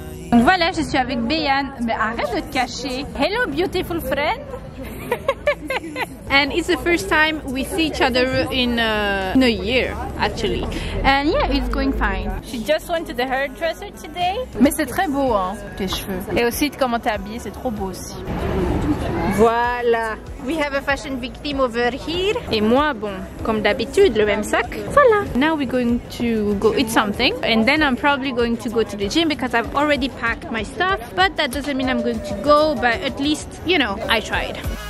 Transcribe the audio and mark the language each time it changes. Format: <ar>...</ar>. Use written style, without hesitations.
<fr>Donc voilà, je suis avec Béan, mais arrête de te cacher!</fr> <en>Hello beautiful friend! And it's the first time we see each other in a year, actually. And yeah, it's going fine. She just went to the hairdresser today.</en> <fr>Mais c'est très beau, hein, tes cheveux. Et aussi comment t'es habillée, c'est trop beau aussi.</fr> <en>Voilà. We have a fashion victim over here.</en> <fr>Et moi, bon, comme d'habitude, le même sac.</fr> <en>Voilà. Now we're going to go eat something. And then I'm probably going to go to the gym because I've already packed my stuff. But that doesn't mean I'm going to go, but at least, you know, I tried.</en>